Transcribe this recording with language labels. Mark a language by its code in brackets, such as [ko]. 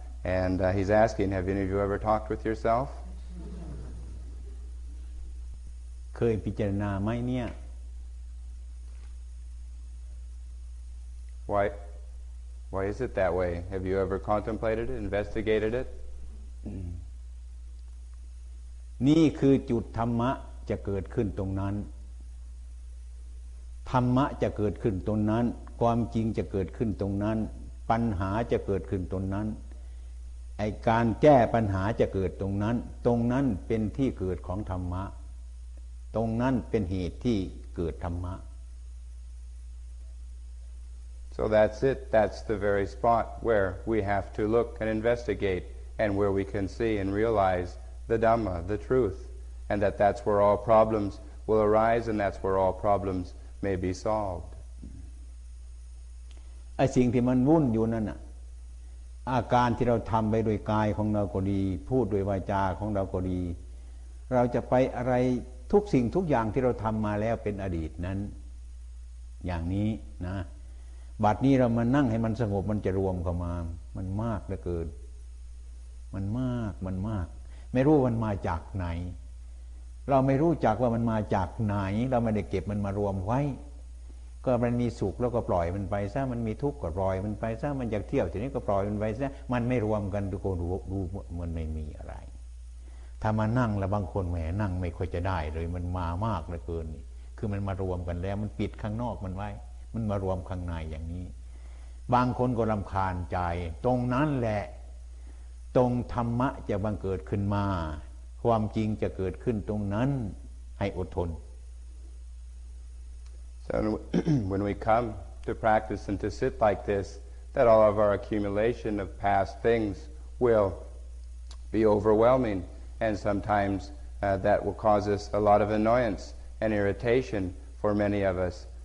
[en] And he's asking, have any of you ever talked with yourself? [th] เคยพิจารณาไหมเนี่ย [en] Why is it that way? Have you ever contemplated it, investigated it? [th] นี่คือจุดธรรมะจะเกิดขึ้นตรงนั้นธรรมะจะเกิดขึ้นตรงนั้นความจริงจะเกิดขึ้นตรงนั้นปัญหาจะเกิดขึ้นตรงนั้น ไอ้การแก้ปัญหาจะเกิดตรงนั้นตรงนั้นเป็นที่เกิดของธรรมะตรงนั้นเป็นเหตุที่เกิดธรรมะ [en] So that's it. That's the very spot where we have to look and investigate and where we can see and realize the Dhamma, the truth, and that that's where all problems will arise and that's where all problems may be solved. [th] ไอ้สิ่งที่มันวุ่นอยู่นั่นอะอาการที่เราทำไปโดยกายของเราก็ดีพูดโดยวาจาของเราก็ดีเราจะไปอะไรทุกสิ่งทุกอย่างที่เราทำมาแล้วเป็นอดีตนั้นอย่างนี้นะบัดนี้เรามานั่งให้มันสงบมันจะรวมเข้ามามันมากเหลือเกิน มันมากไม่รู้มันมาจากไหนเราไม่รู้จักว่ามันมาจากไหนเราไม่ได้เก็บมันมารวมไว้ก็มันมีสุขแล้วก็ปล่อยมันไปซะมันมีทุกข์ก็ปล่อยมันไปซะมันอยากเที่ยวทีนี้ก็ปล่อยมันไปซะมันไม่รวมกันทุกคนดูมันไม่มีอะไร ถ้ามานั่งแล้วบางคนแหมนั่งไม่ค่อยจะได้เลยมันมามากเหลือเกินนี่คือมันมารวมกันแล้วมันปิดข้างนอกมันไว้มันมารวมข้างในอย่างนี้บางคนก็รำคาญใจตรงนั้นแหละตรงธรรมะจะบังเกิดขึ้นมาความจริงจะเกิดขึ้นตรงนั้นให้อดทน [en] And when we come to practice and to sit like this, that all of our accumulation of past things will be overwhelming, and sometimes that will cause us a lot of annoyance and irritation for many of us.